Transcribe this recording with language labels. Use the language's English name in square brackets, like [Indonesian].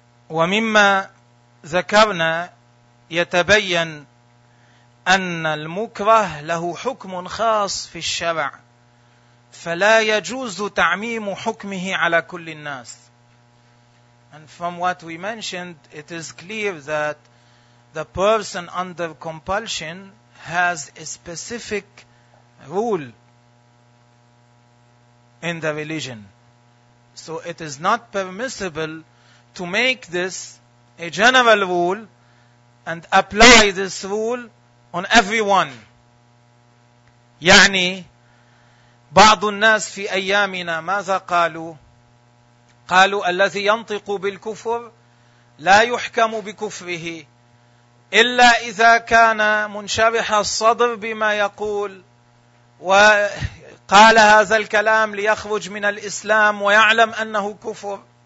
[Arabic] ومما ذكرنا يتبين أن المكره له حكم خاص في الشرع فلا يجوز تعميم حكمه على كل الناس. [English] And from what we mentioned, it is clear that the person under compulsion has a specific rule in the religion. So it is not permissible to make this a general rule and apply this rule on everyone. [Arabic] يعني بعض الناس في أيامنا ماذا قالوا؟ قالوا الذي ينطق بالكفر لا يحكم بكفره إلا إذا كان منشرح الصدر بما يقول وقال هذا الكلام ليخرج من الإسلام ويعلم أنه كفر.